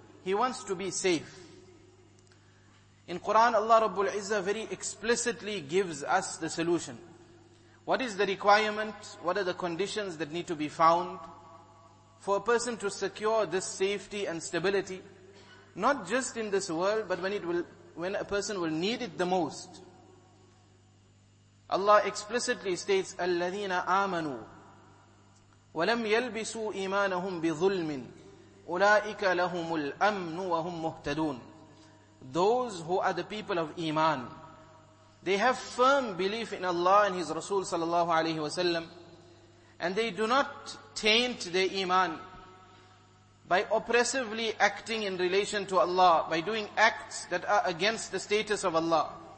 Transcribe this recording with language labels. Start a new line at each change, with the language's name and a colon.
English: He wants to be safe. In Quran, Allah Rabbul Izzah very explicitly gives us the solution. What is the requirement? What are the conditions that need to be found for a person to secure this safety and stability? Not just in this world, but when a person will need it the most. Allah explicitly states,
Arabic: الَّذِينَ آمَنُوا وَلَمْ يَلْبِسُوا إِيمَانَهُمْ بِظُلْمٍ أُولَٰئِكَ لَهُمُ الْأَمْنُ وَهُمْ مُهْتَدُونَ.
English: Those who are the people of Iman, they have firm belief in Allah and His Rasul sallallahu alaihi wasallam, and they do not taint their iman by oppressively acting in relation to Allah, by doing acts that are against the status of Allah.